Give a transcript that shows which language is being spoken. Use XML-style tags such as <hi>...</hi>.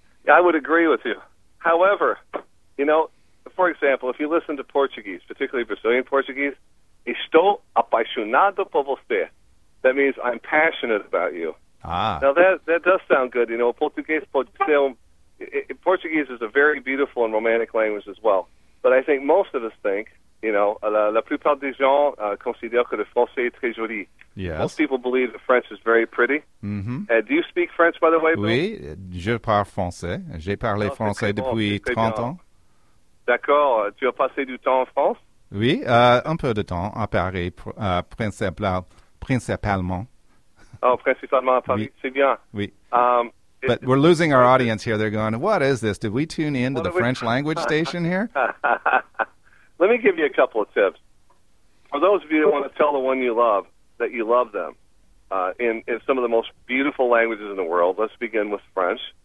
<en>I would agree with you. However, you know, for example, if you listen to Portuguese, particularly Brazilian Portuguese,</en> <pt>estou apaixonado por você.</pt> <en>That means I'm passionate about you. Ah. Now, that does sound good. You know, Portuguese</en> <pt>pode ser um.</pt> <en>Portuguese is a very beautiful and romantic language as well. But I think most of us think, you know,</en> <fr>la plupart des gens considèrent que le français est très joli.</fr> <en>Yes. Most people believe that French is very pretty. Mm-hmm. Do you speak French, by the way, Bill?</en> <fr>Oui, je parle français. J'ai parlé français depuis 30 ans. D'accord. Tu as passé du temps en France? Oui, un peu de temps à Paris, principalement. Oh, principalement à Paris. Oui. C'est bien. Oui.</fr> <en>But we're losing our audience here. They're going, what is this? Did we tune in to the French language station here? Let me give you a couple of tips. For those of you that want to tell the one you love that you love them in some of the most beautiful languages in the world, let's begin with French.</en>